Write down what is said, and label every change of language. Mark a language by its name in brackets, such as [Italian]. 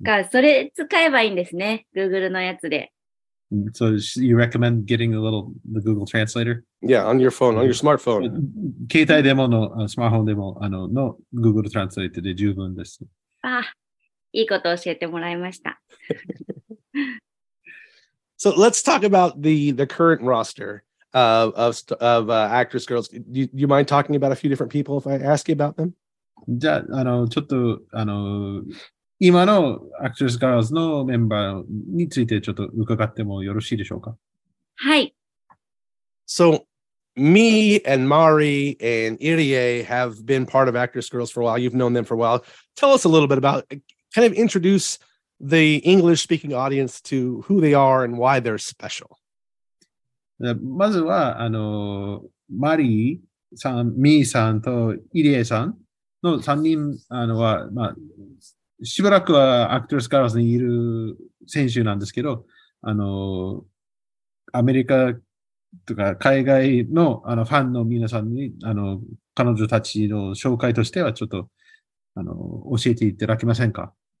[Japanese] それ使えばいいんですね、Google のやつで。 [English] So you recommend getting a little the Google Translator? Yeah, on your phone, on your smartphone. [Japanese] 携帯でものスマホでもあのの Google Translator で十分です。あ、いいこと教えてもらいました。 [English] So let's talk about the current roster of Actwres Girls. Do you mind talking about a few different people if I ask you about them? [Japanese] じゃあ、あのちょっとあの。今のアクトレスガールズのメンバーについてちょっと伺ってもよろしいでしょうか？はい。 [English] So, me and Mari and Irie have been part of Actwres Girls for a while. You've known them for a while. Tell us a little bit about, kind of introduce the English speaking audience to who they are and why they're special. [Japanese] まずは、あの、マリーさん、ミーさんとイリエさんの3人あのは、まあ、しばらくはアクトレスガールズにいる選手なんですけど、あの、アメリカとか海外のあのファンの皆さんに、あの、彼女たちの紹介としてはちょっと、あの、教えていただけませんか？